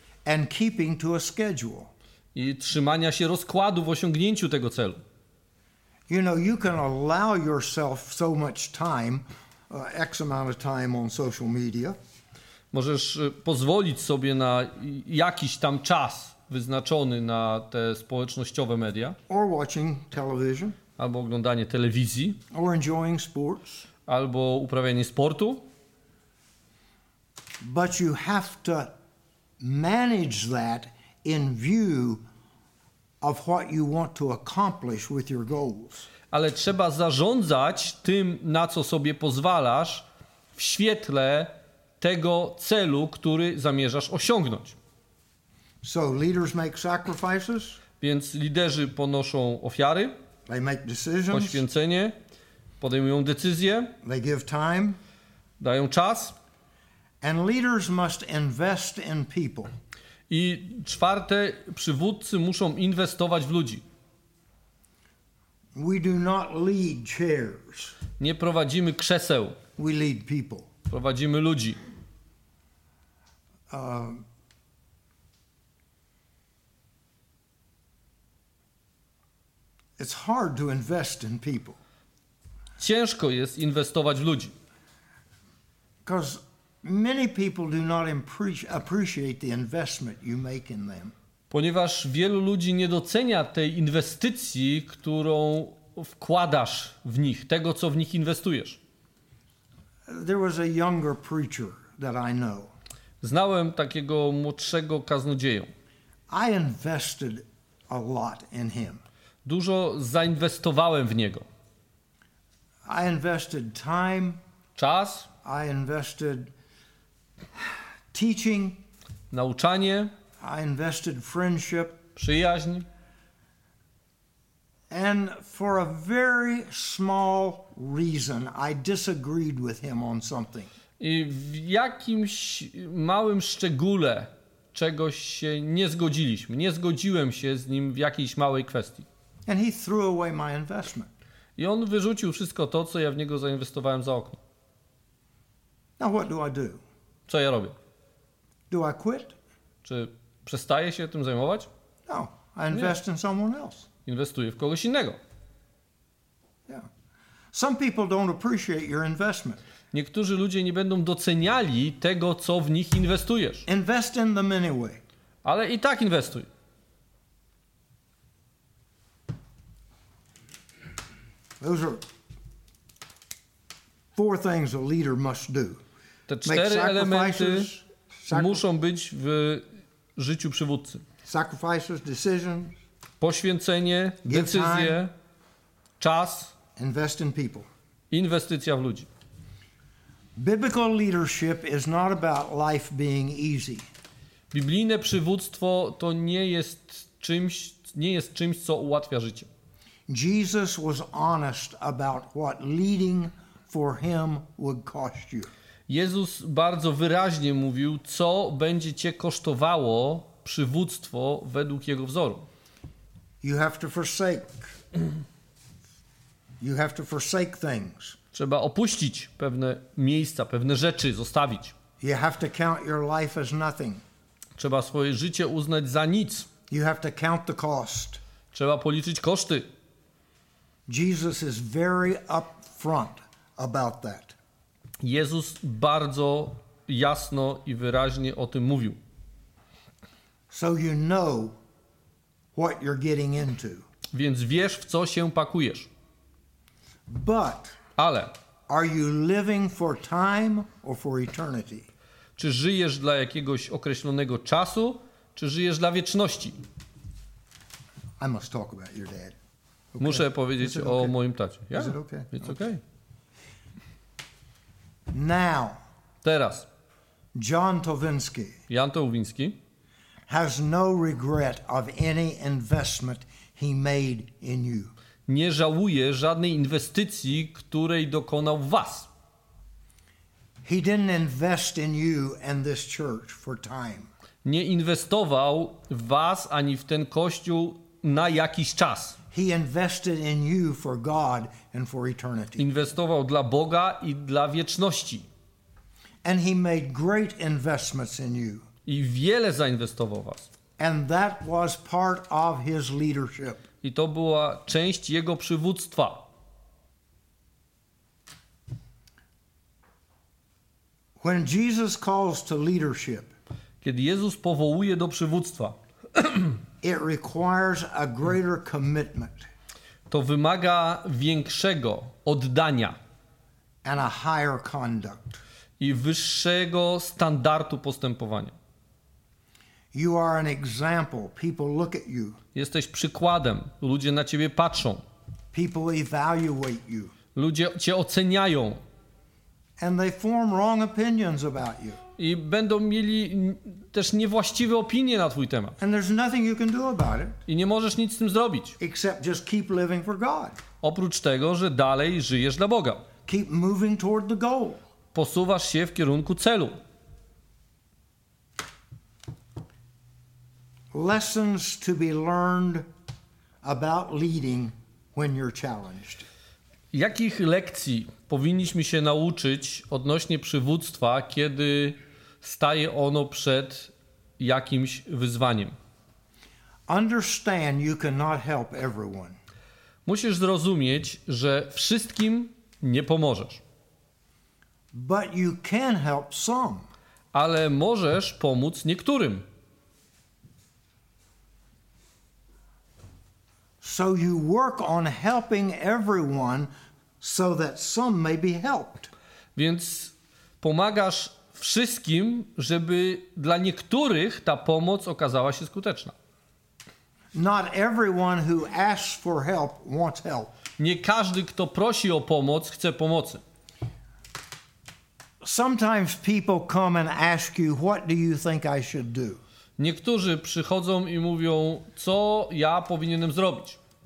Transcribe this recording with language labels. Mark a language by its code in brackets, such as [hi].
[en] And keeping to a schedule. [pl] I trzymania się rozkładu w osiągnięciu tego celu. [en] You know, you can allow yourself so much time, x amount of time on social media. [pl] Możesz pozwolić sobie na jakiś tam czas wyznaczony na te społecznościowe media. [en] Or watching television. [pl] Albo oglądanie telewizji. [en] Or enjoying sports. [pl] Albo uprawianie sportu. [en] But you have to manage that in view of what you want to accomplish with your goals. [pl] Ale trzeba zarządzać tym, na co sobie pozwalasz, w świetle tego celu, który zamierzasz osiągnąć. [en] So leaders make sacrifices. [pl] Więc liderzy ponoszą ofiary. [en] They make decisions. [pl] Poświęcenie. Podejmują decyzje. [en] They give time. [pl] Dają czas. [en] And leaders must invest in people. [pl] I czwarte, przywódcy muszą inwestować w ludzi. [en] We do not lead chairs. [pl] Nie prowadzimy krzeseł. [en] We lead people. [pl] Prowadzimy ludzi. [en] It's hard to invest in people. [pl] Ciężko jest inwestować w ludzi. [en] Because many people do not appreciate the investment you make in them. [pl] Ponieważ wielu ludzi nie docenia tej inwestycji, którą wkładasz w nich, tego co w nich inwestujesz. [en] There was a younger preacher that I know. [pl] Znałem takiego młodszego kaznodzieję. [en] I invested a lot in him. [pl] Dużo zainwestowałem w niego. [en] I invested time. [pl] Czas. [en] I invested teaching. [pl] Nauczanie. [en] I invested friendship. [pl] Przyjaźń. [en] And for a very small reason, I disagreed with him on something. [pl] I w jakimś małym szczególe czegoś się nie zgodziliśmy. Nie zgodziłem się z nim w jakiejś małej kwestii. [en] And he threw away my investment. [pl] I on wyrzucił wszystko to, co ja w niego zainwestowałem za okno. [en] Now what do I do? [pl] Co ja robię? [en] Do I quit? [pl] Czy przestaję się tym zajmować? [en] No, I invest in someone else. [pl] Inwestuję w kogoś innego. [en] Yeah. Some people don't appreciate your investment. [pl] Niektórzy ludzie nie będą doceniali tego, co w nich inwestujesz. [en] Invest in them anyway. [pl] Ale i tak inwestuj. [en] Those are four things a leader must do. [pl] Te cztery elementy muszą być w życiu przywódcy. [en] Sacrifices, decisions, [pl] poświęcenie, decyzje, czas, [en] invest in people. [pl] Inwestycja w ludzi. [en] Biblical leadership is not about life being easy. [pl] Biblijne przywództwo to nie jest czymś, co ułatwia życie. [en] Jesus was honest about what leading for him would cost you. [pl] Jezus bardzo wyraźnie mówił, co będzie cię kosztowało przywództwo według jego wzoru. [en] You have to forsake. You have to forsake things. [pl] Trzeba opuścić pewne miejsca, pewne rzeczy, zostawić. [en] You have to count your life as nothing. [pl] Trzeba swoje życie uznać za nic. [en] You have to count the cost. [pl] Trzeba policzyć koszty. [en] Jesus is very upfront about that. [pl] Jezus bardzo jasno i wyraźnie o tym mówił. [en] So you know what you're getting into. [pl] Więc wiesz, w co się pakujesz. [en] But [pl] ale [en] are you living for time or for eternity? [pl] Czy żyjesz dla jakiegoś określonego czasu, czy żyjesz dla wieczności? [en] I must talk about your dad. Okay. [pl] Muszę powiedzieć o okay? moim tacie. [en] Yeah. Is it okay? It's okay. Now. [pl] Teraz. [en] John Towinski. [pl] Jan Towinski. [en] Has no regret of any investment he made in you. [pl] Nie żałuje żadnej inwestycji, której dokonał w was. [en] He didn't invest in you and this church for time. [pl] Nie inwestował w was ani w ten kościół na jakiś czas. [en] He invested in you for God and for eternity. [pl] Inwestował dla Boga i dla wieczności. [en] And he made great investments in you. [pl] I wiele zainwestował w was. [en] And that was part of his leadership. [pl] I to była część jego przywództwa. [en] When Jesus calls to leadership, [pl] kiedy Jezus powołuje do przywództwa, [en] it requires a greater commitment. [pl] To wymaga większego oddania [en] and a higher conduct. [pl] I wyższego standardu postępowania. [en] You are an example. People look at you. [pl] Jesteś przykładem. Ludzie na ciebie patrzą. [en] People evaluate you. [pl] Ludzie cię oceniają. [en] And they form wrong opinions about you. [pl] I będą mieli też niewłaściwe opinie na twój temat. [en] And there's nothing you can do about it. [pl] I nie możesz nic z tym zrobić. [en] Except just keep living for God. [pl] Oprócz tego, że dalej żyjesz dla Boga. [en] Keep moving toward the goal. [pl] Posuwasz się w kierunku celu. [en] Lessons to be learned about leading when you're challenged. [pl] Jakich lekcji powinniśmy się nauczyć odnośnie przywództwa, kiedy staje ono przed jakimś wyzwaniem? [en] Understand you cannot help everyone. [pl] Musisz zrozumieć, że wszystkim nie pomożesz. [en] But you can help some. [pl] Ale możesz pomóc niektórym. [en] So you work on helping everyone so that some may be helped. [pl] Więc pomagasz wszystkim, żeby dla niektórych ta pomoc okazała się skuteczna. [en] Not everyone who asks for help wants help. [pl] Nie każdy, kto prosi o pomoc, chce pomocy. [en] Sometimes people come and ask you, what do you think I should do? [pl] Niektórzy przychodzą i mówią, co ja powinienem zrobić.